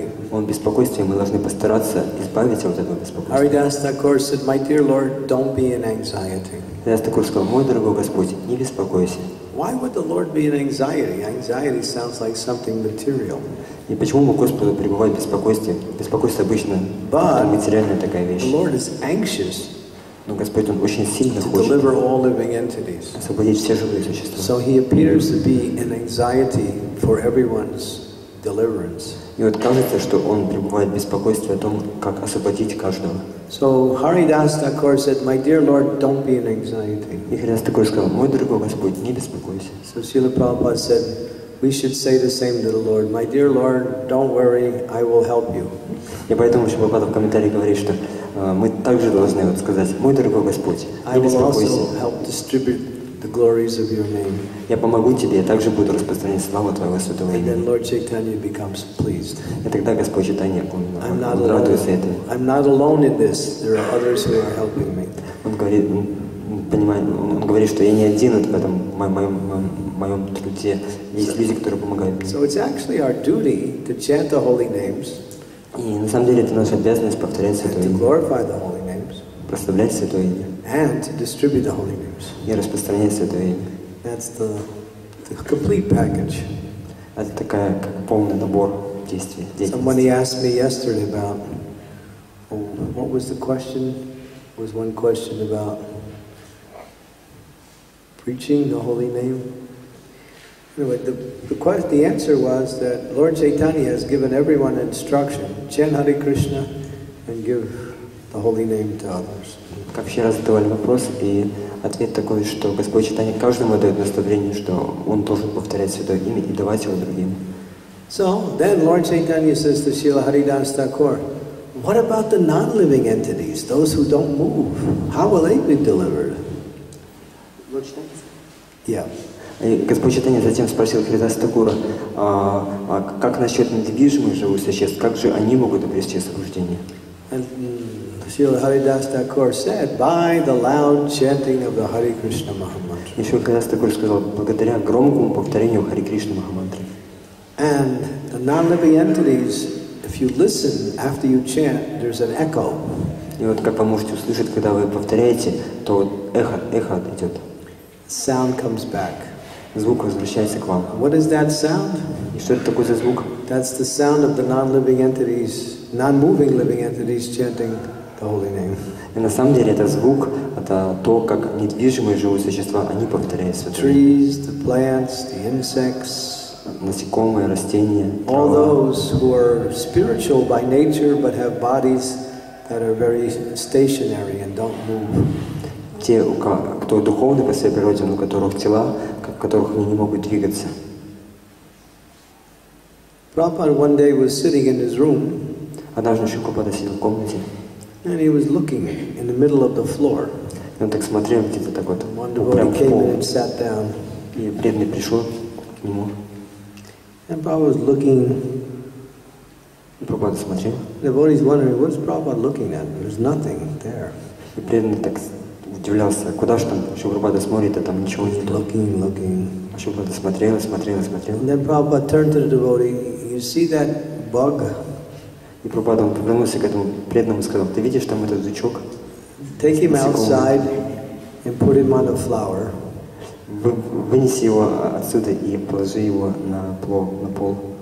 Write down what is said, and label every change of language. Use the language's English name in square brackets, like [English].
[Russian] Он беспокойствует, мы должны постараться избавиться от этого беспокойства. [English] Haridas Thakur said, "My dear Lord, don't be in anxiety." [Russian] Haridas Thakur сказал, "Мой дорогой Господь, не беспокойся." [English] Why would the Lord be in anxiety? Anxiety sounds like something material. [Russian] И почему бы Господу пребывать в беспокойстве? Беспокойство обычно материальная такая вещь. [English] The Lord is anxious. [Russian] Но Господь, Он очень сильно хочет [English] deliver all living entities. [Russian] Освободить все живые существа. [English] So He appears to be in anxiety for everyone's deliverance. [Russian] И вот кажется, что он пребывает в беспокойстве о том, как освободить каждого. [English] So Haridas Thakur said, "My dear Lord, don't be in anxiety." [Russian] И Haridas Thakur сказал, "Мой дорогой Господь, не беспокойся." [English] So Srila Prabhupada said, "We should say the same to the Lord. My dear Lord, don't worry, I will help you." [Russian] И поэтому Srila Prabhupada в комментарии говорит, что мы также должны вот сказать, "Мой дорогой Господь, не беспокойся." [English] I will also help distribute the glories of your name. [Russian] Я помогу тебе, я также буду распространять славу твоего святого имени. [English] And then Lord Chaitanya becomes pleased. [Russian] И тогда Господь Чайтанья радуется этому. [English] I'm not alone in this. There are others who are helping me. [Russian] Он говорит, понимает, он говорит, что я не один в этом моем труде. Есть люди, которые помогают мне. [English] So it's actually our duty to chant the holy names. [Russian] И на самом деле это наша обязанность повторять святое имя. [English] To glorify the holy names. [Russian] Прославлять святое имя. [English] And to distribute the holy names. [Russian] И распространять святое имя. [English] That's the complete package. [Russian] Это такая как полный набор действий. [English] Somebody asked me yesterday about what was the question? Was one question about preaching the holy name? Anyway, the answer was that Lord Chaitanya has given everyone instruction: chant Hare Krishna and give the holy name to others. [Russian] Как вчера задавали вопрос, и ответ такой, что Господь Чайтанья каждому дает наставление, что он должен повторять святое имя и давать его другим. [English] So then Lord Chaitanya says to Srila Haridas Thakur, "What about the non-living entities, those who don't move? How will they be delivered?" Lord Chaitanya? Yeah. [Russian] И Господь Чайтанья затем спросил Харидаса Такура, а как насчет недвижимых живых существ, как же они могут обрести освобождение? [English] Srila Haridas Thakur said, "By the loud chanting of the Hare Krishna Mahamantra." [Russian] Еще Харидас Такур сказал, благодаря громкому повторению Хари Кришна Махамантры. [English] And the non-living entities, if you listen after you chant, there's an echo. [Russian] И вот как вы можете услышать, когда вы повторяете, то эхо идет. [English] Sound comes back. [Russian] Звук возвращается к вам. [English] What is that sound? [Russian] И что это такое за звук? [English] That's the sound of the non-living entities, non-moving living entities chanting. Holy name. [Russian] И на самом деле это звук, это то, как недвижимые живые существа, они повторяют святое. [English] Trees, the plants, the insects. [Russian] Насекомые, растения. [English] All those who are spiritual by nature, but have bodies that are very stationary and don't move. [Russian] Те, кто духовный по своей природе, но у которых тела, в которых они не могут двигаться. [English] Prabhupada one day was sitting in his room. [Russian] Однажды Шрила Прабхупада сидел в комнате. [English] And he was looking in the middle of the floor. [Russian] Он так смотрел где-то так вот. [English] One devotee came in and sat down. [Russian] И преданный пришел к нему. [English] And Prabhupada was looking. [Russian] Прабхупада смотрел. [English] The devotee is wondering, what's Prabhupada looking at? There's nothing there. [Russian] И преданный так удивлялся, куда ж там, что Прабхупада смотрит, а там ничего нет. [English] Looking. [Russian] Что Прабхупада смотрел. [English] And then Prabhupada turned to the devotee. You see that bug? [Russian] И Прабхупада повернулся к этому преданному и сказал, ты видишь там этот жучок? [English] Take him outside and put him on a flower. [Russian] Вынеси его отсюда и положи его на пол.